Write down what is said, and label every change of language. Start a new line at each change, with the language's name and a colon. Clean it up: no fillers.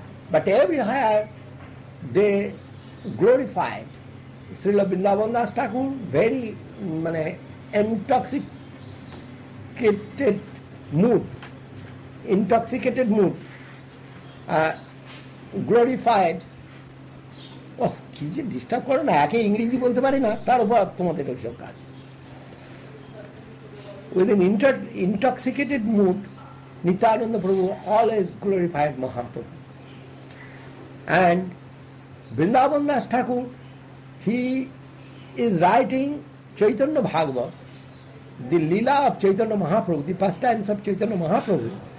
English: But everywhere they glorified Srila Vrindavan Das Thakur, very intoxicated mood. Glorified.
Bangla: Oh, কি যে disturb করো না, একে ইংরেজি বলতে পারি না, তার উপর তোমাদের ওইসব কাজ।
English: With an intoxicated mood, Nityananda Prabhu always glorified Mahaprabhu. And Vrindavan Das Thakur, he is writing Chaitanya Bhagavat, the Leela of Chaitanya Mahaprabhu, the pastimes of Chaitanya Mahaprabhu.